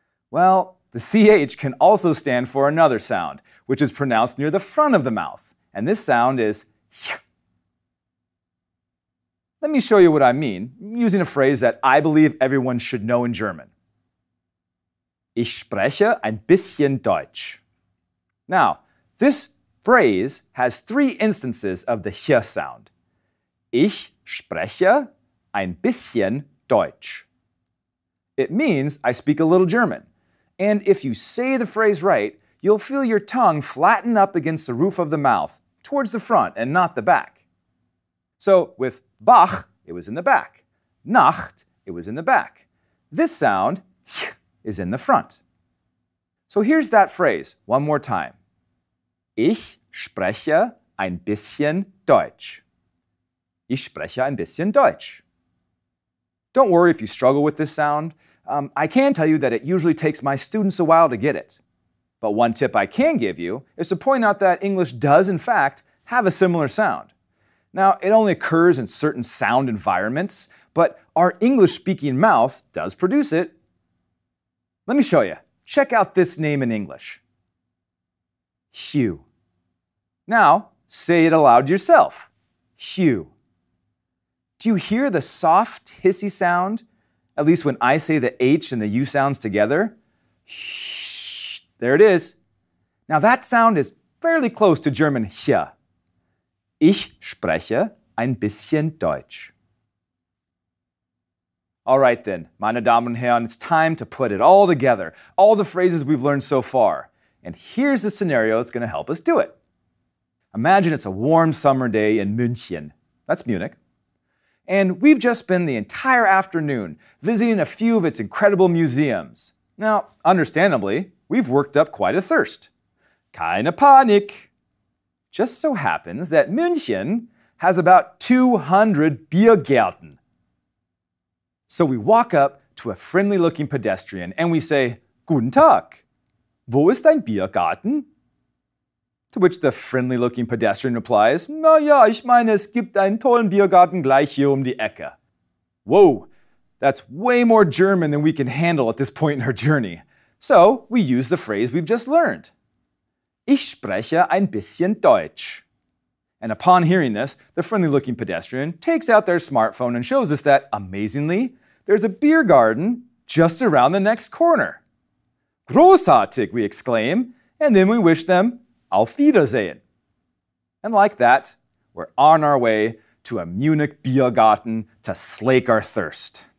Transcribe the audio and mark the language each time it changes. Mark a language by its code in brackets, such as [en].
[en] Well, the CH can also stand for another sound, which is pronounced near the front of the mouth, and this sound is ch. Let me show you what I mean, using a phrase that I believe everyone should know in German. [de] Ich spreche ein bisschen Deutsch. [en] Now, this phrase has three instances of the ch sound. [de] Ich spreche ein bisschen Deutsch. [en] It means I speak a little German. And if you say the phrase right, you'll feel your tongue flatten up against the roof of the mouth, towards the front and not the back. So with Bach, it was in the back. Nacht, it was in the back. This sound, ch, is in the front. So here's that phrase one more time. [de] Ich spreche ein bisschen Deutsch. Ich spreche ein bisschen Deutsch. [en] Don't worry if you struggle with this sound. I can tell you that it usually takes my students a while to get it. But one tip I can give you is to point out that English does, in fact, have a similar sound. Now, it only occurs in certain sound environments, but our English-speaking mouth does produce it. Let me show you. Check out this name in English. Hugh. Now, say it aloud yourself. Hugh. Do you hear the soft, hissy sound? At least when I say the H and the U sounds together? Shh, there it is. Now that sound is fairly close to German hier. [de] Ich spreche ein bisschen Deutsch. [en] All right then, [de] meine Damen und Herren, [en] it's time to put it all together, all the phrases we've learned so far. And here's the scenario that's going to help us do it. Imagine it's a warm summer day in München. That's Munich. And we've just spent the entire afternoon visiting a few of its incredible museums. Now, understandably, we've worked up quite a thirst. [de] Keine Panik! [en] Just so happens that München has about 200 Biergärten. So we walk up to a friendly-looking pedestrian and we say, [de] Guten Tag! Wo ist dein Biergarten? [en] To which the friendly-looking pedestrian replies, [de] Na ja, ich meine, es gibt einen tollen Biergarten gleich hier die Ecke. [en] Whoa, that's way more German than we can handle at this point in our journey. So, we use the phrase we've just learned. [de] Ich spreche ein bisschen Deutsch. [en] And upon hearing this, the friendly-looking pedestrian takes out their smartphone and shows us that, amazingly, there's a beer garden just around the next corner. [de] Großartig, [en] we exclaim, and then we wish them [de] Auf Wiedersehen. [en] And like that, we're on our way to a Munich Biergarten to slake our thirst.